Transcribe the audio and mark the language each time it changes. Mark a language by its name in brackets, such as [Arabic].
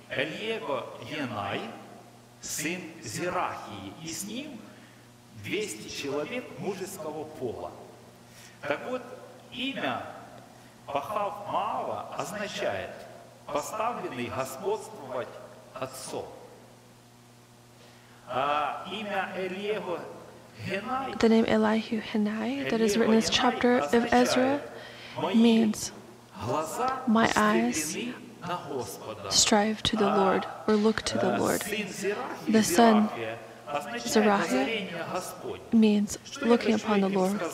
[English] Eliezer Yenai, son Zerahi, and with him 200 men of manly form. [Russian] Имя Пахав Маава означает поставленный господствовать отцом. А имя Элиеху Генай. [English] The name Elihu Henai that is written in this chapter of Ezra means my eyes strive to the Lord or look to the Lord. The son Zerahia means looking upon the Lord.